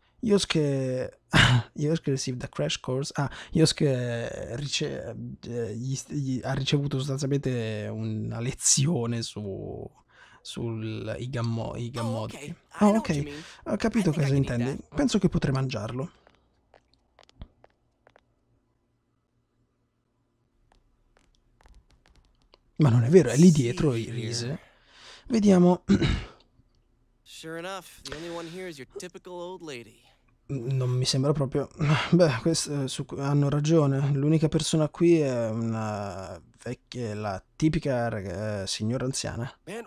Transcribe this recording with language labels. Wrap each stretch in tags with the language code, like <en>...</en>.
<en>Yosuke received a crash course.</en> <it>Ah, Yosuke ha ricevuto sostanzialmente una lezione sui gammodi. Ok. Ho capito cosa intendi. Penso che potrei mangiarlo. Ma non è vero, è lì dietro il riso. Vediamo.</it> <en>Sure enough, the only one here is your typical old lady.</en> <it>Non mi sembra proprio. Beh, hanno ragione. L'unica persona qui è una vecchia, la tipica signora anziana.</it>